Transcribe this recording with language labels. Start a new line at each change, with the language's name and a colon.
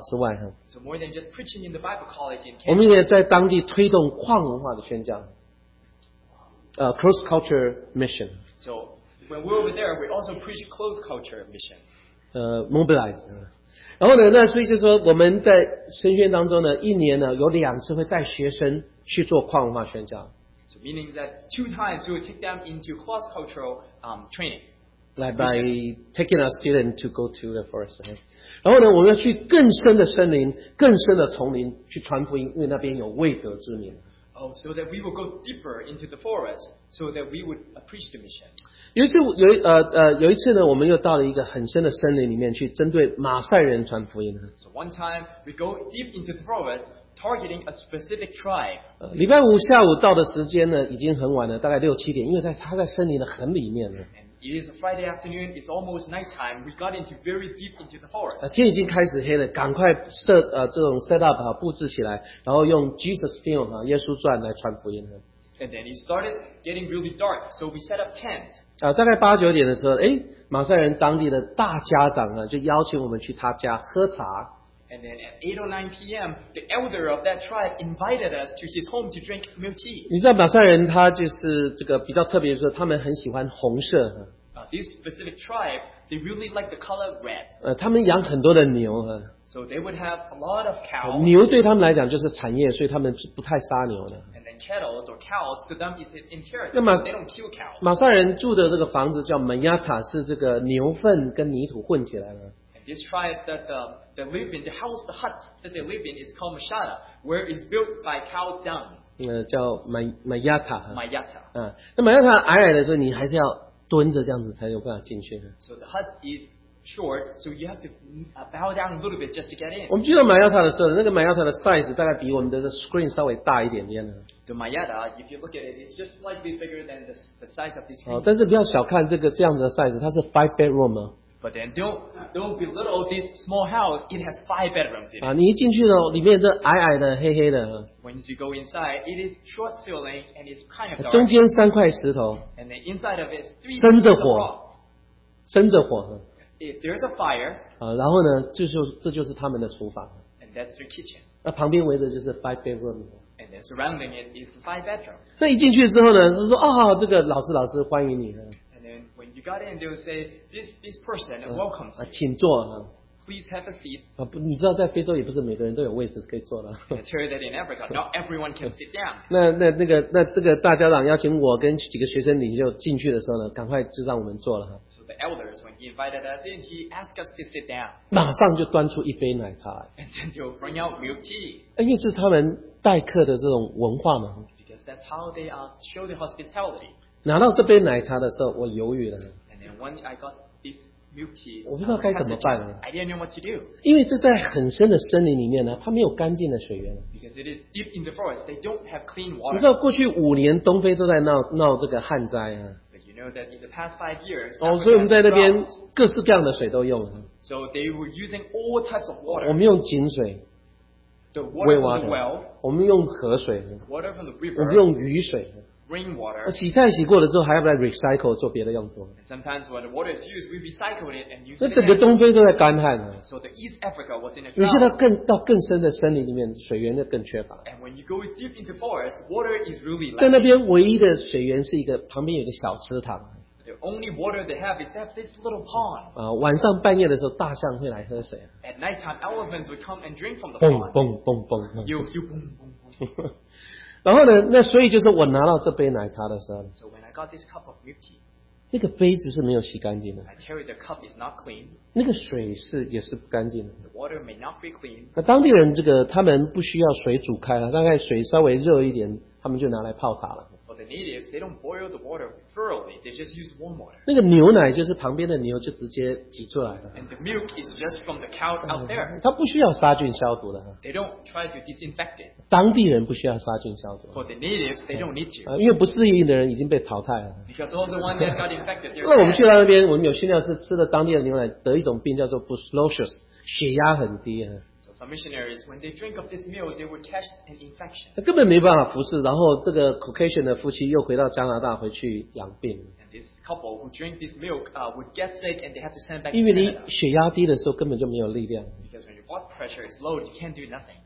English: So more than just preaching in the Bible college in Canada,
Chinese: 我们也在当地推动跨文化的宣教，
English: cross culture mission. So when we're over there, we also preach close culture mission. Mobilize.
Chinese: 然后呢，那所以就说我们在神学院当中呢，一年呢有两次会带学生去做跨文化宣教。
English: So meaning that two times we will take them into cross cultural training. Like by taking a student to go to the forest.
Chinese: 然后呢，我们要去更深的森林、更深的丛林去传福音，因为那边有未得之名。
English: Oh, so that we will go deeper into the forest, so that we would preach the mission.
Chinese: 有一次呢，我们又到了一个很深的森林里面去，针对马赛人传福音。
English: So one time we go deep into the forest, targeting a specific tribe.
Chinese: 礼拜五下午到的时间呢，已经很晚了，大概六七点，因为他在森林的很里面了。
English: It is a Friday afternoon. It's almost nighttime. We got into very deep into the forest.
Chinese: 天已经开始黑了，赶快这种
English: set up
Chinese: 布置起来，然后用 Jesus film 耶稣传来传福音。
English: And then it started getting really dark, so we set up tents.
Chinese: 大概八九点的时候，哎，马赛人当地的大家长呢，就邀请我们去他家喝茶。
English: And then at 8 or 9 p.m., the elder of that tribe invited us to his home to drink milk tea.
Chinese: 你知道马赛人他就是这个比较特别的是他们很喜欢红色。
English: This specific tribe, they really like the color red.
Chinese: 他们养很多的牛。
English: So they would have a lot of cows.
Chinese: 牛对他们来讲就是产业，所以他们不太杀牛的。
English: And then cattle or cows, to them is an inheritance, so they don't kill cows.
Chinese: 马赛人住的这个房子叫门亚塔，是这个牛粪跟泥土混起来的。
English: This tribe that they live in, the house, the hut that they live in is called Mashada, where it's built by cows down.
Chinese: 叫 Mayata.
English: Mayata.
Chinese: 那 Mayata 矮矮的时候，你还是要蹲着这样子才有办法进去。
English: So the hut is short, so you have to bow down a little bit just to get in.
Chinese: 我们去到 Mayata 的时候，那个 Mayata 的 size 大概比我们的 screen 稍微大一点点。
English: The Mayata, if you look at it, it's just slightly bigger than the size of this screen.
Chinese: 但是不要小看这个这样子的 size, 它是
English: five bedroom
Chinese: 啊。
English: But then don't belittle this small house. It has five bedrooms in it.
Chinese: 你一进去呢，里面这矮矮的、黑黑的。
English: When you go inside, it is short ceiling and it's kind of dark.
Chinese: 中间三块石头。
English: And then inside of it, three pieces of rock.
Chinese: 生着火，生着火。
English: If there's a fire.
Chinese: 然后呢，这就是他们的厨房。
English: And that's their kitchen.
Chinese: 那旁边围着就是
English: five bedroom. And then surrounding it is five bedroom.
Chinese: 那一进去之后呢，他说：“哦，这个老师，欢迎你。”
English: When you got in, they would say, this person welcomes you.
Chinese: 请坐。
English: Please have a seat.
Chinese: 你知道在非洲也不是每个人都有位置可以坐的。
English: I tell you that in Africa, not everyone can sit down.
Chinese: 那这个大家长邀请我跟几个学生领袖进去的时候呢，赶快就让我们坐了。
English: So the elders, when he invited us in, he asked us to sit down.
Chinese: 马上就端出一杯奶茶。
English: And then they'll bring out milk tea.
Chinese: 因为是他们待客的这种文化嘛。
English: Because that's how they show the hospitality.
Chinese: 拿到这杯奶茶的时候，我犹豫了。
English: I got this milk tea,
Chinese: 我不知道该怎么办了。
English: I didn't know what to do.
Chinese: 因为这在很深的森林里面呢，它没有干净的水源。
English: Because it is deep in the forest, they don't have clean water.
Chinese: 你知道过去五年东非都在闹这个旱灾啊。
English: But you know that in the past five years,
Chinese: 所以我们在那边各式各样的水都用了。
English: So they were using all types of water.
Chinese: 我们用井水。
English: The water from the well.
Chinese: 我们用河水。
English: Water from the river.
Chinese: 我们用雨水。
English: Rainwater.
Chinese: 洗菜洗过了之后，还要来 recycle 做别的用途。
English: Sometimes when the water is used, we recycle it and use it.
Chinese: 那整个东非都在干旱啊。
English: So the East Africa was in a drought.
Chinese: 你现在到更深的森林里面，水源就更缺乏。
English: And when you go deep into forest, water is really lacking.
Chinese: 在那边唯一的水源是一个旁边有个小池塘。
English: The only water they have is that this little pond.
Chinese: 晚上半夜的时候，大象会来喝水。
English: At nighttime, elephants would come and drink from the pond. 嘣嘣嘣嘣。又嘣嘣嘣。
Chinese: 然后呢？那所以就是我拿到这杯奶茶的时候，
English: so、when I got this cup of milk tea,
Chinese: 那个杯子是没有洗干净的。
English: I tell you the cup is not clean,
Chinese: 那个水也是不干净的。
English: The water may not be clean,
Chinese: 那当地人这个他们不需要水煮开了，大概水稍微热一点，他们就拿来泡茶了。
English: For the natives, they don't boil the water thoroughly; they just use warm water.
Chinese: 那个牛奶就是旁边的牛就直接挤出来了。
English: And the milk is just from the cow out there.
Chinese: 它不需要杀菌消毒的。
English: They don't try to disinfect it.
Chinese: 当地人不需要杀菌消毒。
English: For the natives, they don't need to.
Chinese: 因为不适应的人已经被淘汰了。
English: Because all the ones that got infected, they're.
Chinese: 那我们去到那边，我们有训练师吃了当地的牛奶，得一种病叫做 brucellosis， 血压很低。
English: Some missionaries, when they drink of this meal, they would catch an infection.
Chinese: 根本没办法服侍，然后这个 Caucasian 的夫妻又回到加拿大回去养病。
English: And this couple who drink this milk, would get sick and they have to send back.
Chinese: 因为你血压低的时候根本就没有力量。
English: Because when your blood pressure is low, you can't do nothing.